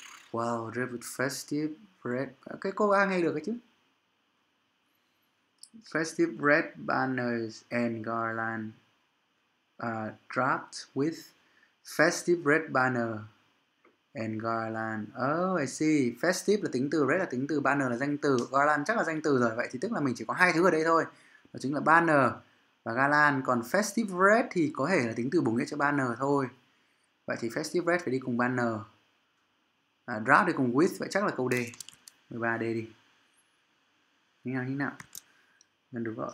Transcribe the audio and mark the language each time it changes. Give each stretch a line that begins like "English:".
Vietnamese: Wow, Red Festive Red. Cái cô A nghe được cái chứ?
English: Festive Red Banners and Garland dropped with Festive Red Banner and Garland. Oh, I see.
Vietnamese: Festive là tính từ, Red là tính từ, Banner là danh từ, Garland chắc là danh từ rồi. Vậy thì tức là mình chỉ có hai thứ ở đây thôi. Đó chính là Banner và Garland. Còn Festive Red thì có thể là tính từ bổ nghĩa cho Banner thôi. Vậy thì Festive Red phải đi cùng Banner. Draft đi cùng with. Vậy chắc là câu D. 13 D đi. Như nào? Được rồi.